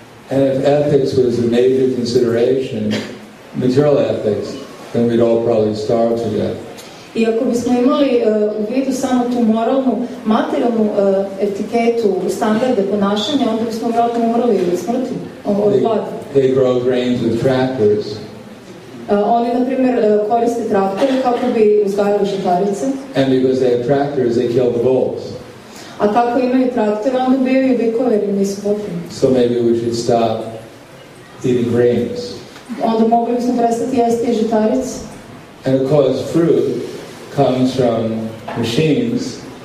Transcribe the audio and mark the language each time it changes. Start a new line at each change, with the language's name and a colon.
English: And if ethics was a major consideration, material ethics, then we'd all probably starve to death.
Croatian: I ako bismo imali u vidu samo tu moralnu, materijalnu etiketu, standarde ponašanja, onda bismo vjerojatno umrli ili smrti od gladi.
English: They grow grains with tractors.
Croatian: Oni, na primjer, koriste traktore kako bi uzgajali žitarice.
English: And because they have tractors, they kill the bulls.
Croatian: A kako imaju traktore, onda ubijaju bikove jer nisu potrebni.
English: So maybe we should stop eating grains.
Croatian: Onda mogli bismo prestati jesti žitarice.
English: And of course, fruit comes from machines.